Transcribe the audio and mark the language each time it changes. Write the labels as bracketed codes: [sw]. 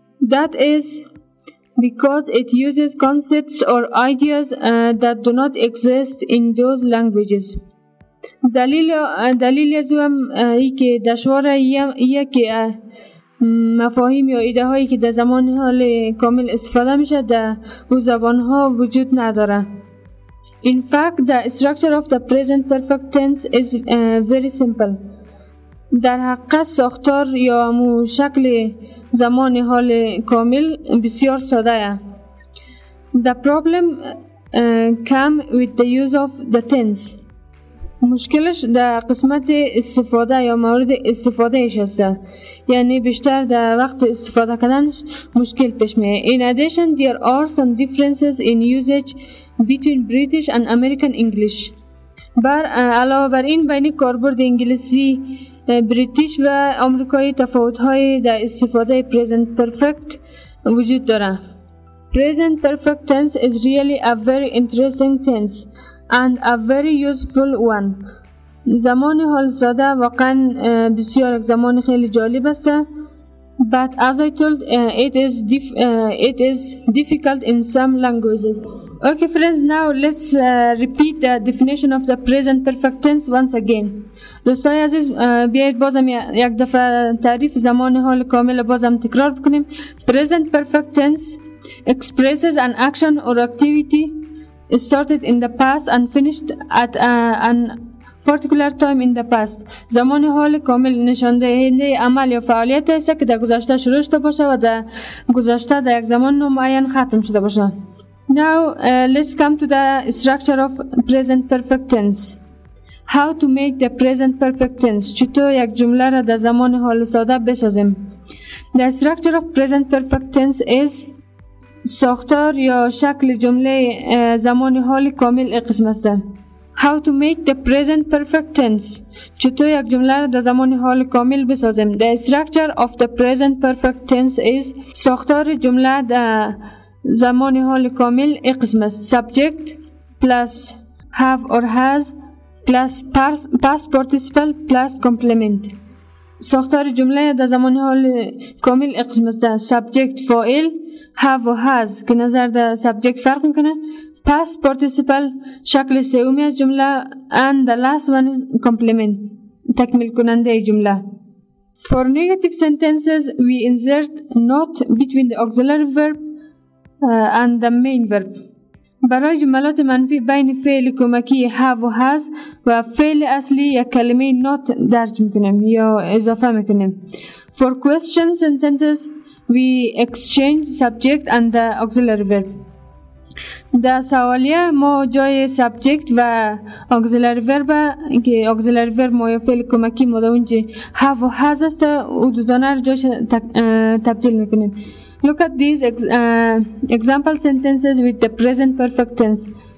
[en] That is because it uses concepts or ideas that do not exist in those languages. [fa] دلیل از اون ای که دشواره یه که مفاهیم یا ایده هایی که در زمان حال کامل استفاده میشه در اون زبان ها وجود نداره. [en] In fact, the structure of the present perfect tense is very simple. [fa] در حقیقت ساختار یا مو شکل زمان حال کامل بسیار ساده است. [en] The problem comes with the use of the tense. [fa] مشکلش در قسمت استفاده یا مورد استفادهش است، یعنی بیشتر در وقت استفاده کردنش مشکل پیش میاد. [en] In addition, there are some differences in usage between British and American English. [fa] بر علاوه بر این، بین کاربرد انگلیسی بریتیش و آمریکایی تفاوت‌های در استفاده present perfect وجود داره. [en] Present perfect tense is really a very interesting tense and a very useful one. [fa] زمان حال ساده واقعا بسیار یک زمان خیلی جالب است. [en] But as I told, it is difficult in some languages. Okay, friends, now let's repeat the definition of the present perfect tense once again. [fa] دوستای عزیز بیایید بازم یک دفعه تعریف زمان حال کامل بازم تکرار بکنیم. [en] Present perfect tense expresses an action or activity started in the past and finished at an particular time in the past. [fa] زمان حال کامل نشان دهنده عمل یا فعالیت است که در گذشته شروع شده باشه و در گذشته در یک زمان معین ختم شده باشه. [en] Now let's come to the structure of present perfect tense. How to make the present perfect tense? [fa] چطور یک جمله را در زمان حال ساده بسازیم؟ [en] The structure of present perfect tense is [fa] ساختار یا شکل جمله زمان حال کامل این قسم است. [en] How to make the present perfect tense? [fa] چطور یک جمله را در زمان حال کامل بسازیم؟ [en] The structure of the present perfect tense is [fa] ساختار جمله زمان حال کامل این قسم است. [en] Subject plus have or has plus past participle plus complement. [fa] ساختار جمله در زمان حال کامل این قسم است. Subject فاعل have و has که نظر در subject فرق میکنه. Past participle شکل سومی از جمله [en] and the last one is complement [fa] تکمیل کننده جمله. [en] For negative sentences we insert not between the auxiliary verb and the main verb. [fa] برای جملات منفی بین فعل کمکی have و has و فعل اصلی یک کلمه not درج میکنیم یا اضافه میکنیم. [en] For questions and sentences we exchange subject and the auxiliary verb. [fa] در سوالیه ما جای سبجکت و اگزیلری ورب که اگزیلری ورب ما یا فعل کمکی ما در اونجا هف و هز است و دودانه رو جاش تبدیل میکنیم. [en] Look at these example sentences with the present perfect tense.